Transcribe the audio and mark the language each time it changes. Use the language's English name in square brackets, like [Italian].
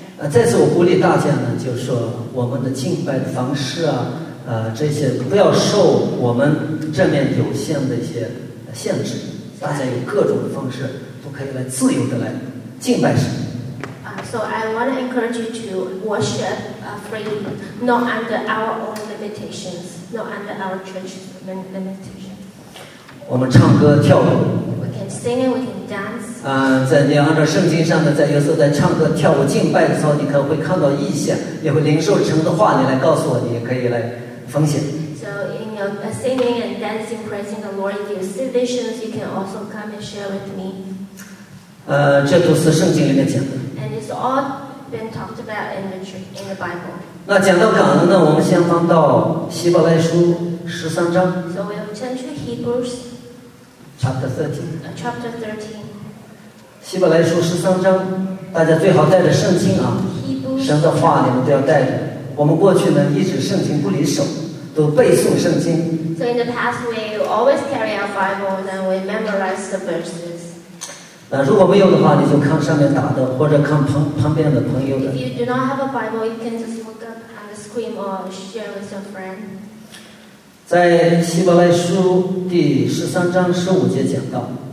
[Chinese] 再次我鼓励大家呢，就是说我们的敬拜的方式啊，这些不要受我们这面有限的一些限制，大家有各种的方式都可以来自由的来敬拜神。 [English] So I want to encourage you to worship freely, not under our own limitations, not under our church limitations. [Chinese] 我们唱歌跳舞。 [English] We can sing and we can dance. [Chinese] 在你按照圣经上的，在有时候在唱歌跳舞敬拜的时候，你可能会看到异象，也会领受神的话，你来告诉我，你也可以来分享。 [English] So in your singing and dancing, praising the Lord, you see visions, you can also come and share with me. [Chinese] 这都是圣经里面讲的。 [English] It's all been talked about in the Bible. [Chinese] 那讲到感恩呢，我们先翻到希伯来书十三章。 [English] So we'll turn to Hebrews. Chapter 13. Chapter 13. [Chinese] 希伯来书十三章，大家最好带着圣经啊。神的话你们都要带着。我们过去呢，一直圣经不离手，都背诵圣经。 [English] So in the past, we always carry our Bible, and we memorize the verses. [Chinese] 如果没有的话，你就看上面打的，或者看旁边的朋友的。 [English] If you do not have a Bible, you can just look up on the screen or share with your friend. [Chinese] 在希伯来书第十三章十五节讲到。